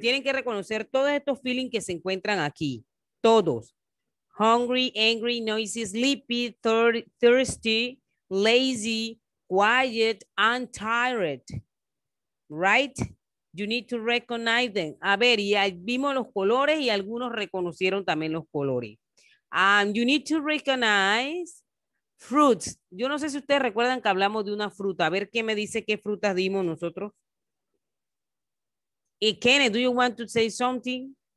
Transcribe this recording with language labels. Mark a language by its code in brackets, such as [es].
[es] Tienen que reconocer todos estos feelings que se encuentran aquí. Todos. [en] Hungry, angry, noisy, sleepy, thirsty, lazy, quiet, and tired. Right? You need to recognize them. [es] A ver, ya vimos los colores y algunos reconocieron también los colores. [en] You need to recognize fruits. [es] Yo no sé si ustedes recuerdan que hablamos de una fruta. A ver qué me dice qué frutas dimos nosotros. [en] Y Kenneth, do you want to say something?